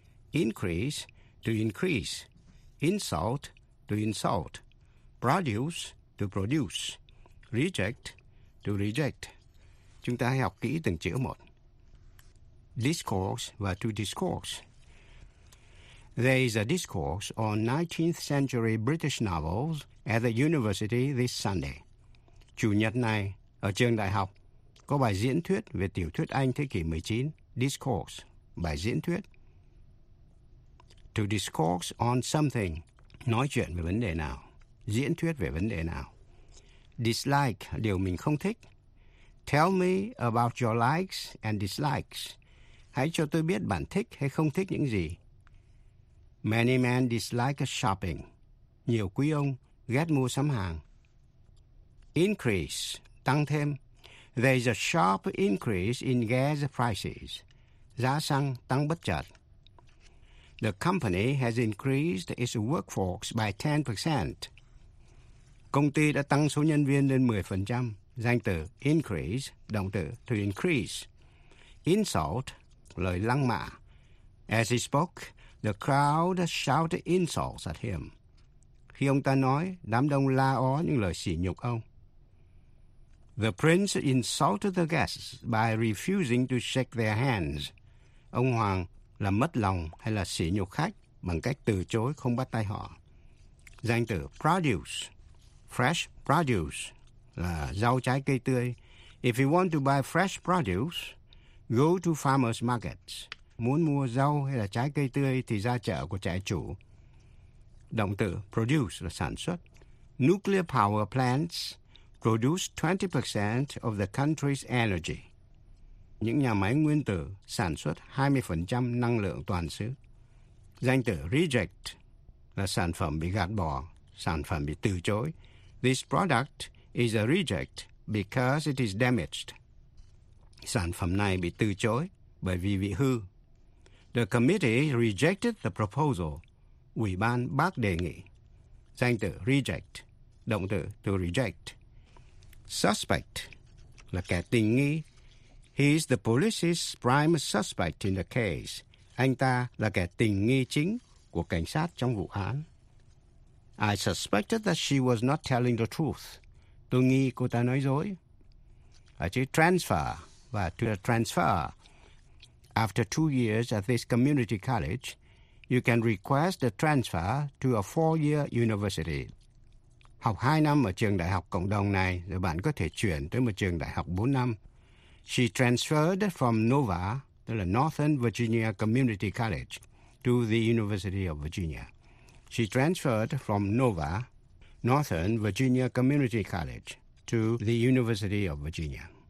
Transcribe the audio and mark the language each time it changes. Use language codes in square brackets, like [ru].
[en] Increase, to increase. Insult, to insult. Produce, to produce. Reject, to reject. [vi] Chúng ta hãy học kỹ từng chữ một. Discourse và to discourse. [en] There is a discourse on 19th century British novels at the university this Sunday. [vi] Chủ nhật này, ở trường đại học, có bài diễn thuyết về tiểu thuyết Anh thế kỷ 19, Discourse, bài diễn thuyết. [en] To discourse on something, [vi] nói chuyện về vấn đề nào, diễn thuyết về vấn đề nào. [en] Dislike, [vi] điều mình không thích. [en] Tell me about your likes and dislikes. [vi] Hãy cho tôi biết bạn thích hay không thích những gì. [en] Many men dislike shopping. [vi] Nhiều quý ông ghét mua sắm hàng. Increase, tăng thêm. [en] There is a sharp increase in gas prices. [vi] Giá xăng tăng bất chợt. [en] The company has increased its workforce by 10%. [vi] Công ty đã tăng số nhân viên lên 10%. Danh từ increase, động từ to increase. Insult, lời lăng mạ. [en] As he spoke, the crowd shouted insults at him. [vi] Khi ông ta nói, đám đông la ó những lời sỉ nhục ông. [en] The prince insulted the guests by refusing to shake their hands. [vi] Ông hoàng là mất lòng hay là sỉ nhục khách bằng cách từ chối không bắt tay họ. Danh từ produce, fresh produce, là rau trái cây tươi. [en] If you want to buy fresh produce, go to farmers markets. [vi] Muốn mua rau hay là trái cây tươi thì ra chợ của trại chủ. Động từ produce là sản xuất. [en] Nuclear power plants produce 20% of the country's energy. [vi] Những nhà máy nguyên tử sản xuất 20% năng lượng toàn xứ. Danh từ reject là sản phẩm bị gạt bỏ, sản phẩm bị từ chối. [en] This product is a reject because it is damaged. [vi] Sản phẩm này bị từ chối bởi vì bị hư. [en] The committee rejected the proposal. [vi] Ủy ban bác đề nghị. Danh từ reject, động từ to reject. Suspect là kẻ tình nghi. [en] He is the police's prime suspect in the case. [vi] Anh ta là kẻ tình nghi chính của cảnh sát trong vụ án. [en] I suspected that she was not telling the truth. [vi] Tôi nghi cô ta nói dối. Ở chữ transfer và to transfer. [en] After 2 years at this community college, you can request a transfer to a 4-year university. [vi] Học 2 năm ở trường đại học cộng đồng này, rồi bạn có thể chuyển tới một trường đại học 4 năm. [en] She transferred from NOVA, [vi] tức là [en] Northern Virginia Community College, to the University of Virginia. She transferred from NOVA, Northern Virginia Community College, to the University of Virginia.